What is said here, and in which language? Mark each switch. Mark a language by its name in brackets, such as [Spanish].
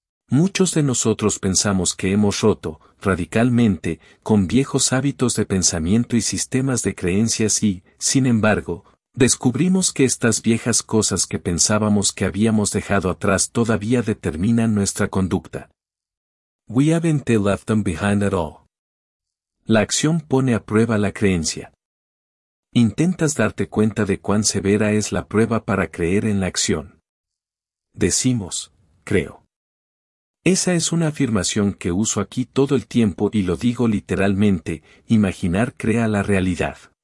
[Spanish] Muchos de nosotros pensamos que hemos roto, radicalmente, con viejos hábitos de pensamiento y sistemas de creencias y, sin embargo, descubrimos que estas viejas cosas que pensábamos que habíamos dejado atrás todavía determinan nuestra conducta. [English] We haven't left them behind at all. [Spanish] La acción pone a prueba la creencia. Intentas darte cuenta de cuán severa es la prueba para creer en la acción. Decimos, creo. Esa es una afirmación que uso aquí todo el tiempo y lo digo literalmente, imaginar crea la realidad.